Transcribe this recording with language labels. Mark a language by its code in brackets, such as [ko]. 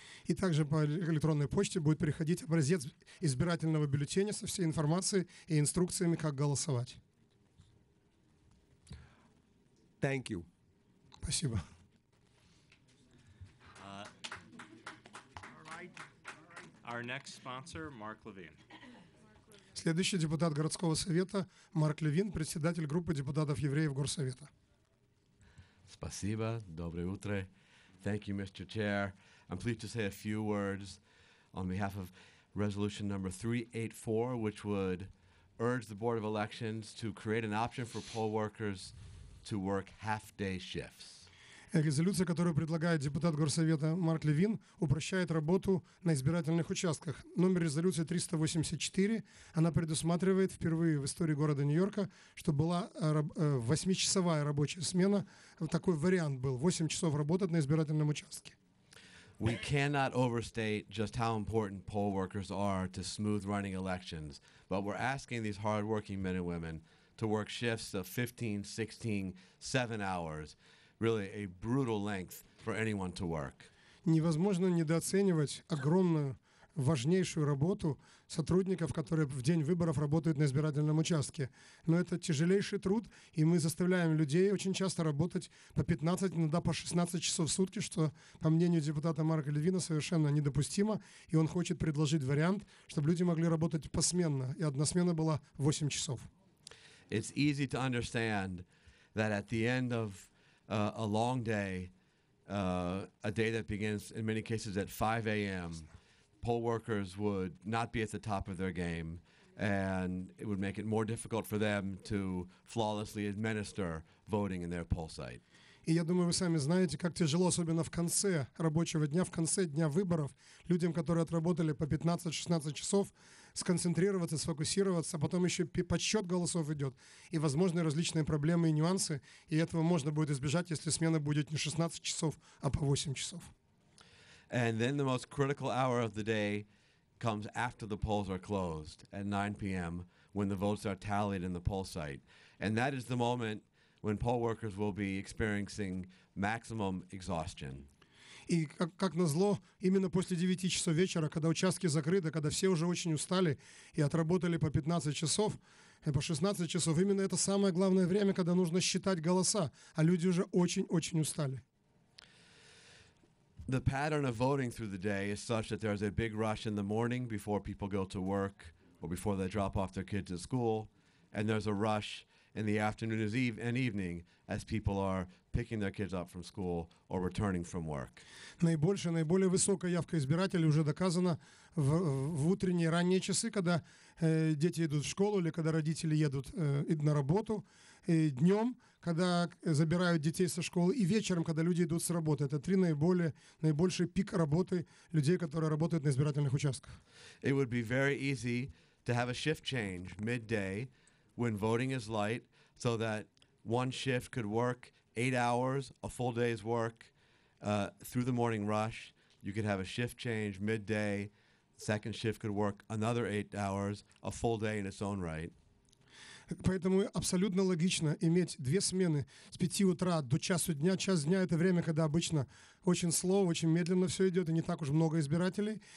[ru] И также по электронной почте будет приходить образец избирательного бюллетеня со всей информацией и инструкциями, как голосовать. [en] Thank you. [ru] Спасибо. [en] Our next sponsor, Mark Levine. [ru] Следующий депутат городского совета Марк Левин, председатель группы депутатов евреев Горсовета. Спасибо. Доброе утро. [en] Thank you, Mr. Chair. I'm pleased to say a few words on behalf of resolution number 384, which would urge the Board of Elections to create an option for poll workers to work half-day shifts. [ru] Резолюция, которую предлагает депутат Горсовета Марк Левин, упрощает работу на избирательных участках. Номер резолюции 384, она предусматривает впервые в истории города Нью-Йорка, что была восьмичасовая рабочая смена. Такой вариант был. 8 часов работать на избирательном участке. We cannot overstate just how important poll workers are to smooth running elections, but we're asking these hardworking men and women to work shifts of 15, 16, 7 hours, really a brutal length for anyone to work. Невозможно недооценивать огромную важнейшую работу сотрудников, которые в день выборов работают на избирательном участке. Но это тяжелейший труд, и мы заставляем людей очень часто работать по 15, иногда по 16 часов в сутки, что, по мнению депутата Марка Левина, совершенно недопустимо. И он хочет предложить вариант, чтобы люди могли работать посменно, и одна смена была 8 часов. [en] It's easy to understand that at the end of a long day, a day that begins in many cases at 5 a.m., poll workers would not be at the top of their game, and it would make it more difficult for them to flawlessly administer voting in their poll site. [ru] И я думаю, вы сами знаете, как тяжело, особенно в конце рабочего дня, в конце дня выборов, людям, которые отработали по 15-16 часов, сконцентрироваться, сфокусироваться, а потом еще подсчет голосов идет, и возможны различные проблемы и нюансы, и этого можно будет избежать, если смена будет не 16 часов, а по 8 часов. [en] And then the most critical hour of the day comes after the polls are closed at 9 p.m. when the votes are tallied in the poll site. And that is the moment when poll workers will be experiencing maximum exhaustion. [ru] И как назло, именно после 9 часов вечера, когда участки закрыты, когда все уже очень устали и отработали по 15 часов, по 16 часов, именно это самое главное время, когда нужно считать голоса, а люди уже очень-очень устали. [en] The pattern of voting through the day is such that there is a big rush in the morning before people go to work or before they drop off their kids at school, and there's a rush in the afternoon and evening as people are picking their kids up from school or returning from work. [ru] Наиболее высокая явка избирателей уже доказана в утренние ранние часы, когда дети идут в школу или когда родители едут на работу, и днем, когда забирают детей со школы, и вечером, когда люди идут с работы. Это три наибольшие пик работы людей, которые работают на избирательных участках. [en] It would be very easy to have a shift change midday when voting is light, so that one shift could work 8 hours, a full day's work, through the morning rush. You could have a shift change midday, second shift could work another 8 hours, a full day in its own right. [ru] Поэтому абсолютно логично иметь две смены с 5 утра до часу дня. Час дня — это время, когда обычно очень [en] slow, [ru] очень медленно все идет, и не так уж много избирателей.